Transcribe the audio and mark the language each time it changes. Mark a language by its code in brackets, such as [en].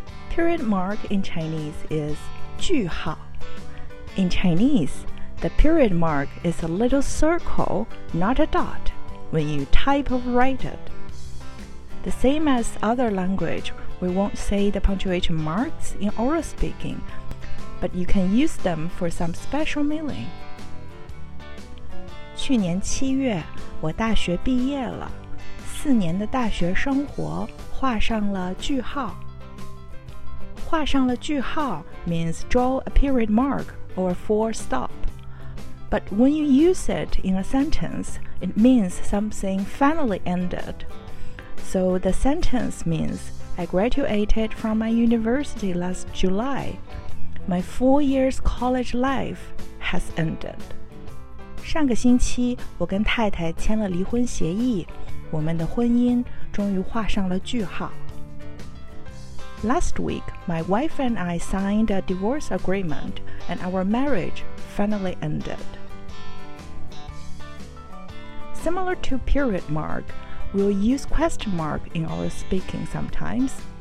[en] Period mark in Chinese is 句号.In Chinese, the period mark is a little circle, not a dot, when you type or write it. The same as other language, we won't say the punctuation marks in oral speaking, but you can use them for some special meaning. [zh] 去年七月我大学毕业了，四年的大学生活画上了句号。画上了句号 [en] means draw a period mark or full stop. But when you use it in a sentence, it means something finally ended. So the sentence means, I graduated from my university last July. My 4 years college life has ended. [zh] 上个星期我跟太太签了离婚协议，我们的婚姻终于画上了句号。 [en] Last week, my wife and I signed a divorce agreement and our marriage finally ended. Similar to period mark, we'll use question mark in our speaking sometimes.